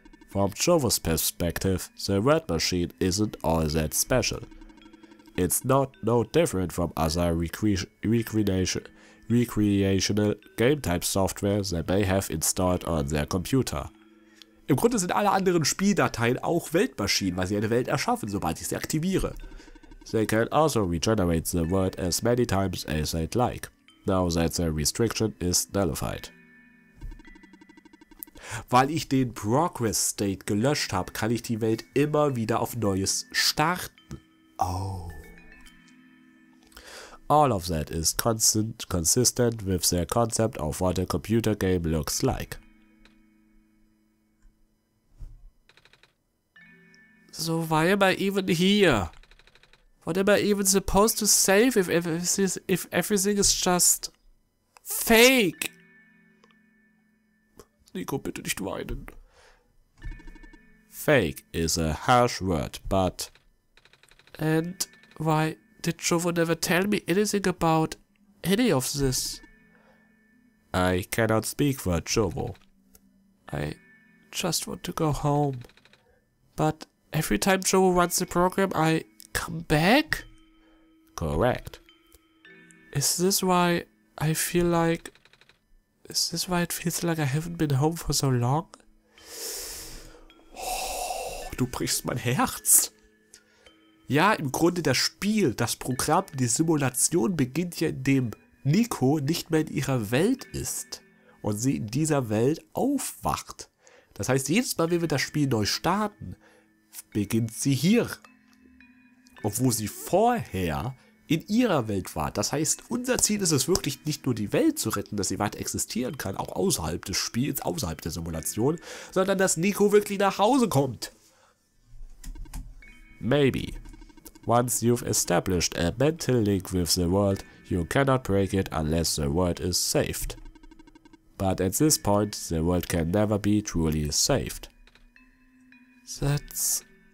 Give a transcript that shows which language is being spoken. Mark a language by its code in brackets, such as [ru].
[en] From Shovo's perspective, the Red Machine isn't all that special. It's not no different from other recreational game-type software they may have installed on their computer. [de] Im Grunde sind alle anderen Spieldateien auch Weltmaschinen, weil sie eine Welt erschaffen, sobald ich sie aktiviere. [en] They can also regenerate the world as many times as they'd like, now that the restriction is nullified. [de] Weil ich den Progress State gelöscht habe, kann ich die Welt immer wieder auf Neues starten. [en] Oh. All of that is consistent with their concept of what a computer game looks like. So why am I even here? What am I even supposed to save if everything is just fake? [de] Nico, bitte nicht weinen. [en] Fake is a harsh word, but... And why did Shovo never tell me anything about any of this? I cannot speak for Shovo. I just want to go home. But every time Shovo runs the program, I come back? Correct. Is this why I feel like... Is this why it feels like I haven't been home for so long? [de] Oh, du brichst mein Herz. Ja, im Grunde das Spiel, das Programm, die Simulation beginnt ja, indem Nico nicht mehr in ihrer Welt ist und sie in dieser Welt aufwacht. Das heißt, jedes Mal, wenn wir das Spiel neu starten, beginnt sie hier. Obwohl sie vorher in ihrer Welt war. Das heißt, unser Ziel ist es wirklich nicht nur die Welt zu retten, dass sie weiter existieren kann, auch außerhalb des Spiels, außerhalb der Simulation, sondern dass Nico wirklich nach Hause kommt. [en] Maybe. Once you've established a mental link with the world, you cannot break it unless the world is saved. But at this point, the world can never be truly saved. That's...